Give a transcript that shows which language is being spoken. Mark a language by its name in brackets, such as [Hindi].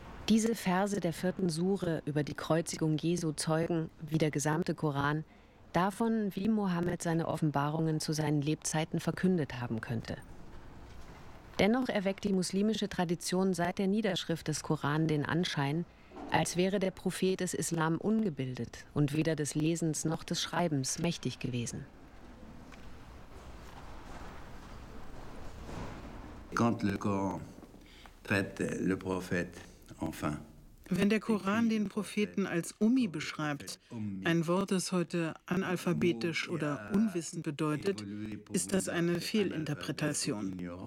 [German] Diese Verse der vierten Sure über die Kreuzigung Jesu zeugen, wie der gesamte Koran, davon, wie Mohammed seine Offenbarungen zu seinen Lebzeiten verkündet haben könnte. Dennoch erweckt die muslimische Tradition seit der Niederschrift des Koran den Anschein, als wäre der Prophet des Islam ungebildet und weder des Lesens noch des Schreibens mächtig gewesen. [French] Quand le Coran traite le prophète. [German] Wenn der Koran den Propheten als Ummi beschreibt, ein Wort, das heute analphabetisch oder unwissend bedeutet, ist das eine Fehlinterpretation.